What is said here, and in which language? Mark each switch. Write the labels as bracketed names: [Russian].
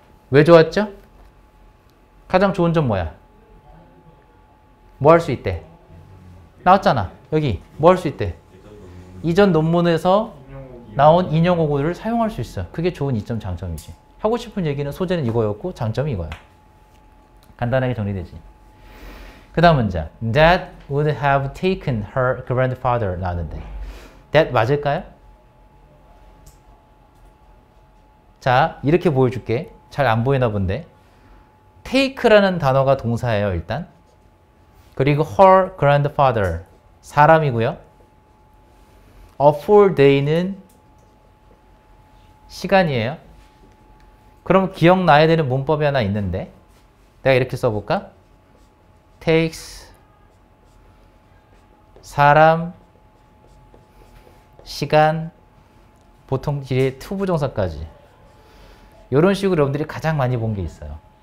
[Korean] 왜 좋았죠? 가장 좋은 점 뭐야? 뭐 할 수 있대? 나왔잖아. 여기 뭐 할 수 있대? 이전 논문에서 나온 인용어구들을 사용할 수 있어. 그게 좋은 이점 장점이지. 하고 싶은 얘기는 소재는 이거였고 장점이 이거야. 간단하게 정리되지. 그 다음 문제. [English] That would have taken her grandfather [Korean] 나왔는데. That 맞을까요? 자, 이렇게 보여줄게. 잘 안 보이나 본데. take라는 단어가 동사예요, 일단. 그리고 her grandfather, 사람이고요. a full day는 시간이에요. 그럼 기억나야 되는 문법이 하나 있는데 내가 이렇게 써볼까? takes 사람 시간 보통 뒤에 to 부정사까지 이런 식으로 여러분들이 가장 많이 본 게 있어요.